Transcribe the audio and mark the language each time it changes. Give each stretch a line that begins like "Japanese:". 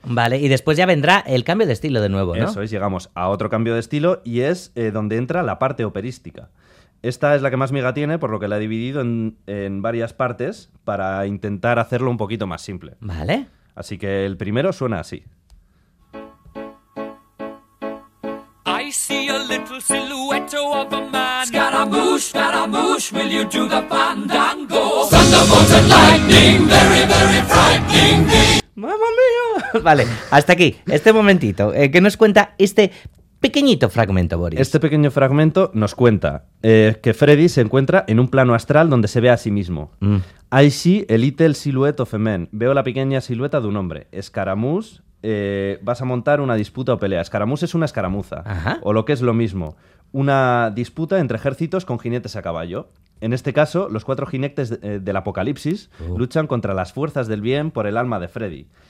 Spanish: Vale, y después ya vendrá el cambio de estilo de nuevo, ¿no? Eso es, llegamos a otro cambio de estilo y es donde entra la parte operística. Esta es la que más miga tiene, por lo que la he dividido en varias partes para intentar hacerlo un poquito más simple. Vale. Así que el primero suena así.
English: I see a little silhouette of a man. Scaramouche, Scaramouche, will you do the fandango? Thunderbolts and lightning, very, very frightening me.
Spanish: ¡Mamma mía! Vale, hasta aquí. Este momentito. ¿Qué nos cuenta este pequeñito fragmento, Boris? Este pequeño fragmento nos cuenta que Freddy se encuentra en un plano astral donde se ve a sí mismo.
English: I see a little silhouette of a man.
Spanish: Veo la pequeña silueta de un hombre. Escaramouche, vas a montar una disputa o pelea. Escaramouche es una escaramuza. Ajá. O lo que es lo mismo, una disputa entre ejércitos con jinetes a caballo. En este caso, los cuatro jinetes del apocalipsis luchan contra las fuerzas del bien por el alma de Freddy.